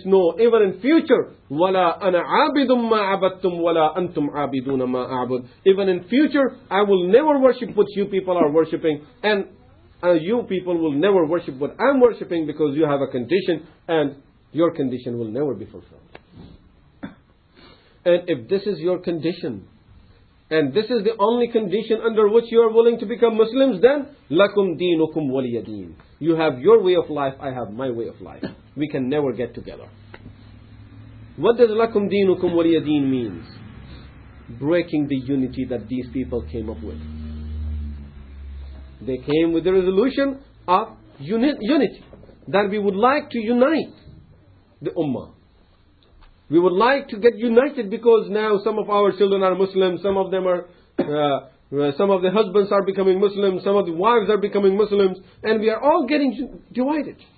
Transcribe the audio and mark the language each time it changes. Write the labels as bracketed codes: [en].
[en] No, even in future, [ar] وَلَا أَنَا عَابِدٌ مَا عَبَدْتُمْ وَلَا أَنْتُمْ عَابِدُونَ مَا أَعْبُدْ, [en] even in future, I will never worship what you people are worshipping, and you people will never worship what I'm worshipping, because you have a condition and your condition will never be fulfilled. And if this is your condition, and this is the only condition under which you are willing to become Muslims, then [ar] لَكُمْ دِينُكُمْ وَلِيَ دِينُ, [en] you have your way of life, I have my way of life. We can never get together. What does [ar] لَكُمْ دِينُكُمْ وَلِيَ دِينُ [en] means? Breaking the unity that these people came up with. They came with the resolution of unity, that we would like to unite the Ummah. We would like to get united, because now some of our children are Muslim, some of them are, some of the husbands are becoming Muslims, some of the wives are becoming Muslims, and we are all getting divided.